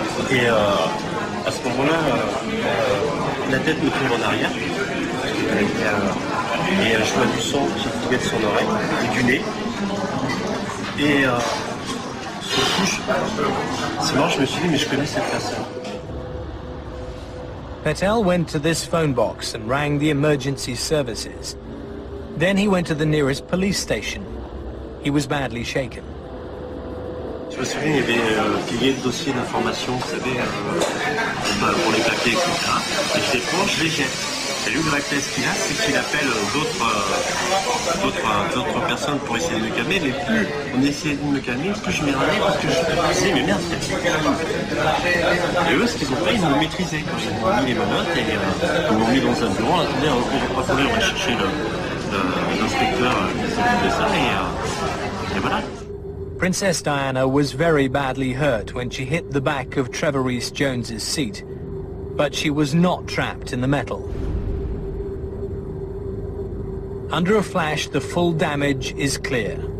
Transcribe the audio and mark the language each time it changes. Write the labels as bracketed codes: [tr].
[fr] Et à ce moment-là, la tête me tombe en arrière, et je vois du sang qui coulait de son oreille et du nez. Je me suis dit, mais je connais cette personne. [en] Patel went to this phone box and rang the emergency services. Then he went to the nearest police station. He was badly shaken. [fr] Je me souviens, il y avait pilier de dossier d'information, vous savez, pour les papiers, etc. Et je les prends, je les jette. Et lui, le réflexe qu'il a, c'est qu'il appelle d'autres personnes pour essayer de me calmer. Mais plus on essayait de me calmer, plus je m'énervais parce que je me disais, mais merde, c'est pas. Et eux, ce qu'ils ont fait, ils m'ont maîtrisé. Quand ils m'ont mis les menottes, et ils m'ont mis dans un bureau, attendez, on va pas courir, on va chercher l'inspecteur qui s'est fait ça, et voilà. [en] Princess Diana was very badly hurt when she hit the back of Trevor Rees-Jones' seat, but she was not trapped in the metal. Under a flash, the full damage is clear.